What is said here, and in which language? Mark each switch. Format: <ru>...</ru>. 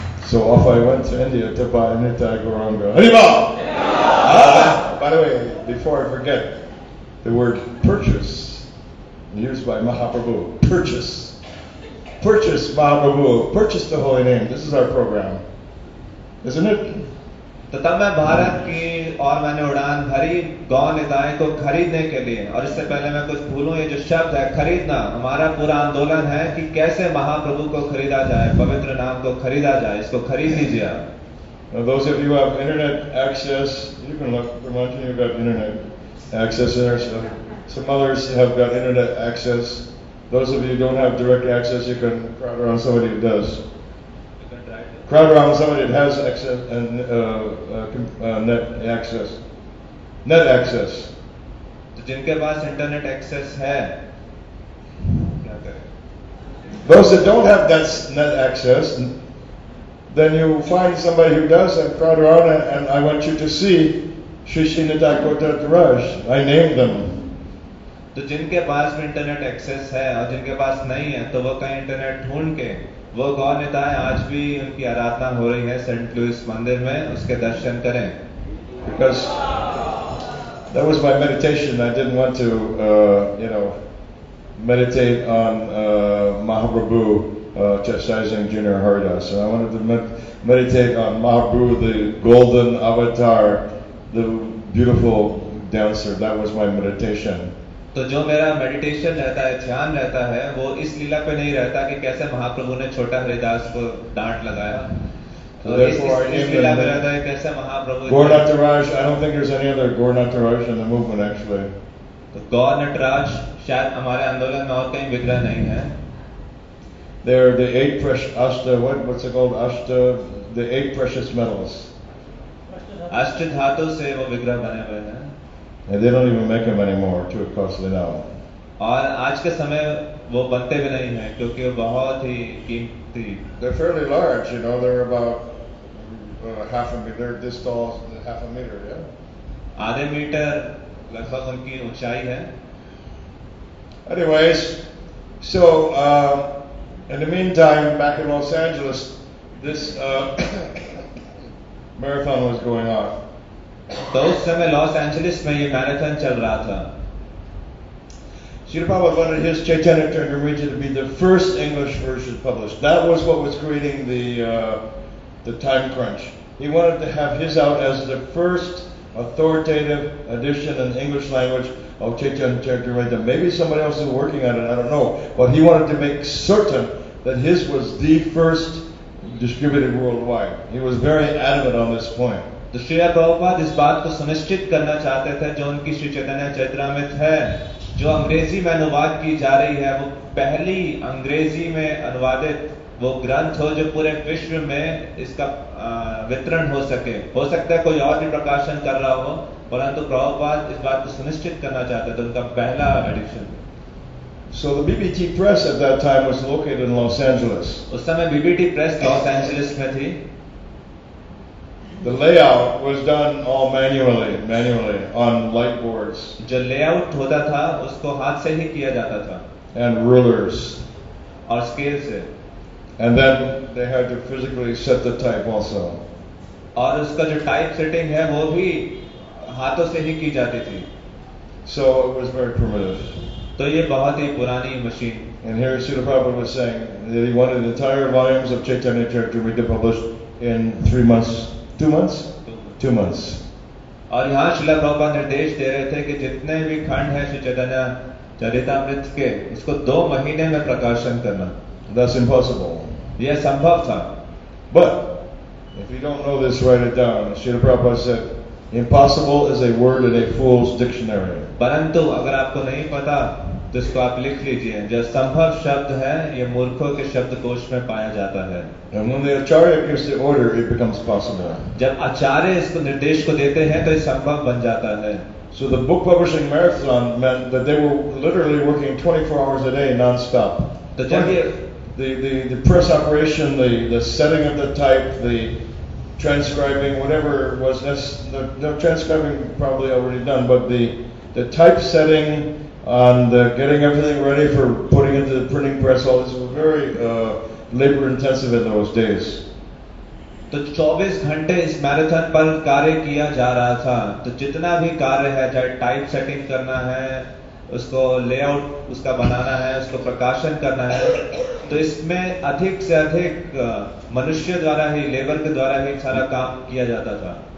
<en>So off I went to India to buy Nitai Gauranga. Hariba! By the way, before I forget, the word purchase, used by Mahaprabhu, purchase. Purchase Mahaprabhu, purchase the holy name. This is our program, isn't it?</en> <hi>तो तब मैं भारत की और मैंने उड़ान भरी गौ निताय को खरीदने के लिए, और इससे पहले मैं कुछ भूलूं, ये जो शब्द है खरीदना, हमारा पूरा आंदोलन है कि कैसे महाप्रभु को खरीदा जाए, पवित्र नाम को खरीदा जाए, इसको खरीद लीजिए आप।</hi> <en>Now those of you who have internet access, you can look, imagine you've got internet access there. So some others have got internet access. Those of you who don't have direct access, you can crowd around somebody who does. Crowd around somebody that has access and net access.</en> <hi>तो जिनके पास internet access है,</hi> <en>those that don't have that net access, then you find somebody who does and crowd around and I want you to see Shishi Nitakotat Raj. I named them.</en> <hi>तो जिनके पास भी internet access है और जिनके पास नहीं है तो वो कहीं इंटरनेट ढूंढ के वो गौ निताय आज भी उनकी आराधना हो रही है सेंट लुइस मंदिर में, उसके दर्शन करें।</hi> <en>Because that was my meditation. I didn't want to, you know, meditate on Mahaprabhu chastising Junior Haridas. So I wanted to meditate on Mahaprabhu, the golden avatar, the beautiful dancer. That was my meditation.</en> <hi>तो जो मेरा meditation रहता है, ध्यान रहता है, वो इस लीला पे नहीं रहता कि कैसे महाप्रभु ने छोटा हरिदास को डांट लगाया, तो इस लीला पे रहता है कैसे महाप्रभु गौर Nataraj.</hi> <en>I don't think there's any other Gaur Nataraj in the movement actually.</en> <hi>तो गौर नटराज शायद हमारे आंदोलन में और कहीं विग्रह नहीं है।</hi> <en>There are the eight precious ashta, what's it called, ashta, the eight precious metals.</en> <hi>अष्ट धातु से वो विग्रह बने हुए हैं।</hi> <en>And they don't even make them anymore, too costly now.</en> <hi>और आज के समय वो बनते भी नहीं है क्योंकि वो बहुत ही कीमती।</hi> <en>They're fairly large, you know. They're about half a meter, this tall, half a meter, yeah.</en> <hi>आधे मीटर लगभग उनकी ऊंचाई है.</hi> <en>Anyways, so in the meantime, back in Los Angeles, this marathon was going on.</en> <hi>तो उस समय Los Angeles में ये मैराथन चल रहा था.</hi> <en>Srila Prabhupada wanted his Chaitanya Charitamrita to be the first English version published. That was what was creating the time crunch. He wanted to have his out as the first authoritative edition in the English language of Chaitanya Charitamrita. Maybe somebody else is working on it, I don't know. But he wanted to make certain that his was the first distributed worldwide. He was very adamant on this point.</en> <hi>तो श्री प्रभुपाद इस बात को सुनिश्चित करना चाहते थे जो उनकी श्री चैतन्य चैतन्यमृत है जो अंग्रेजी में अनुवाद की जा रही है वो पहली अंग्रेजी में अनुवादित वो ग्रंथ हो जो पूरे विश्व में इसका वितरण हो सके. हो सकता है कोई और भी प्रकाशन कर रहा हो परंतु प्रभुपाद इस बात को सुनिश्चित करना चाहते थे उनका पहला addition.</hi> <en>So the BBT press at that time was located in Los Angeles.</en> <hi>उस समय BBT press लॉस एंजलिस में थी.</hi> <en>The layout was done all manually on light boards.</en> <hi>जो लेआउट होता था उसको हाथ से ही किया जाता था.</hi> <en>And rulers.</en> <hi>और स्केल से.</hi> <en>And then they had to physically set the type also.</en> <hi>और उसका जो टाइप सेटिंग है वो भी हाथों से ही की जाती थी.</hi> <en>So it was very primitive.</en> <hi>तो ये बहुत ही पुरानी machine.</hi> <en>And here Srila Prabhupada was saying that he wanted the entire volumes of Chaitanya Charitamrita published in 3 months. Two months.</en> <hi>और यहाँ श्रीला प्रभुपाद निर्देश दे रहे थे कि जितने भी खंड हैं श्री चैतन्य चरितामृत के उसको 2 महीने में प्रकाशन करना.</hi> <en>That's impossible.</en> <hi>यह संभव था.</hi> <en>But if you don't know this, write it down. Srila Prabhupada said, "Impossible is a word in a fool's dictionary."</en> <hi>परंतु अगर आपको नहीं पता तो इसको आप लिख लीजिए. जो संभव शब्द है ये मूर्खों के शब्दकोश में पाया जाता है.</hi> <en>And when the acharya gives the order, it becomes possible.</en> <hi>जब आचार्य इसको निर्देश को देते हैं तो ये संभव बन जाता है.</hi> <en>So the book publishing marathon meant that they were literally working 24 hours a day non-stop.</en> <hi>तो जब ये</hi> <en>the press operation, the setting of the type, the transcribing, whatever was necessary, the transcribing probably already done, but the typesetting and getting everything ready for putting into the printing press, all this was very labor intensive in those days.</en> <hi>तो 24 घंटे इस marathon पर कार्य किया जा रहा था. तो जितना भी कार्य है चाहे टाइप सेटिंग करना है उसको लेआउट उसका बनाना है उसको प्रकाशन करना है तो इसमें अधिक से अधिक मनुष्य द्वारा ही लेबर के द्वारा ही सारा काम किया जाता था.</hi>